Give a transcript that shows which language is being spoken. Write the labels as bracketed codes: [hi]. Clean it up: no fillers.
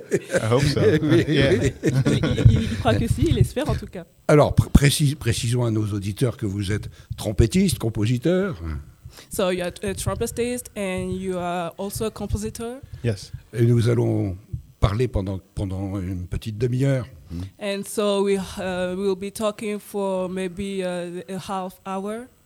[fr] Il croit que si, il espère en tout cas. Alors, précisons à nos auditeurs que vous êtes trompettiste, compositeur. [en] So you are a trompettist and you are also a compositor. Yes. [fr] Et nous allons parler pendant une petite demi-heure. [en] And so we'll be talking for maybe half an hour.